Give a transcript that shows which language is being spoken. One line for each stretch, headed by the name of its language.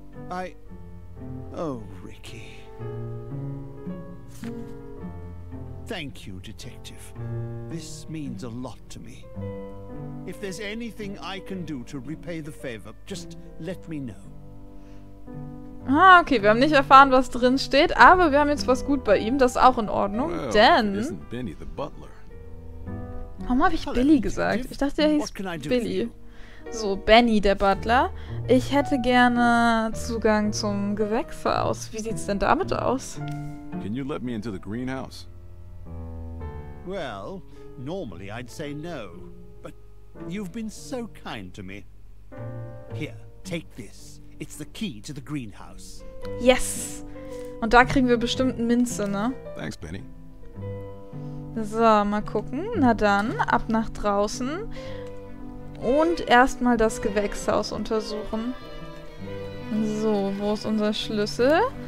English: I... Oh, Ricky. Thank you, Detective. This means a lot to me. If there's anything I can do to repay the favor, just let me know.
German: Ah, okay, wir haben nicht erfahren, was drin steht, aber wir haben jetzt was gut bei ihm, das ist auch in Ordnung,
English: well,
German: denn...
English: Isn't Benny the butler?
German: Warum habe ich
English: Hello, Billy
German: gesagt? Ich dachte, er hieß Billy. So, Benny der Butler. Ich hätte gerne Zugang zum Gewächshaus. Wie sieht's denn damit aus?
English: Can you let me into the greenhouse? Well, normally I'd say no, but you've been so kind to me. Here, take this. It's the key to the greenhouse. Yes.
German: Und da kriegen wir bestimmt Minze, ne?
English: Thanks, Benny.
German: So, mal gucken. Na dann, ab nach draußen. Und erstmal das Gewächshaus untersuchen. So, wo ist unser Schlüssel?